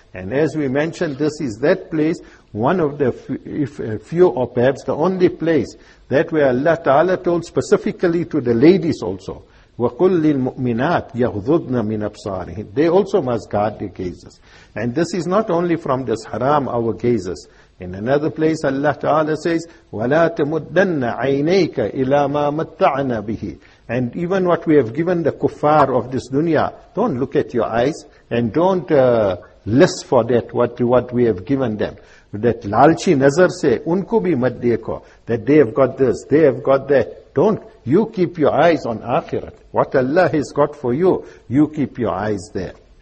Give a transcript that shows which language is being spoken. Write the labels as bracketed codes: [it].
[en] And as we mentioned, this is that place, one of the few or perhaps the only place that where Allah Ta'ala told specifically to the ladies also, [ar] وَقُلْ لِلْمُؤْمِنَاتِ يَغْضُضْنَ مِنْ أَبْصَارِهِمْ. [en] They also must guard their gazes. And this is not only from this haram, our gazes. In another place, Allah Ta'ala says, [ar] وَلَا تَمُدَّنَّ عَيْنَيْكَ إِلَى مَا مَتَّعْنَا بِهِ. [en] And even what we have given the kuffar of this dunya, don't look at your eyes and don't list for that what we have given them. That [ur] lalchi nazar se unko bhi mat dekho, [en] that they have got this, they have got that. Don't. You keep your eyes on akhirat. What Allah has got for you, you keep your eyes there.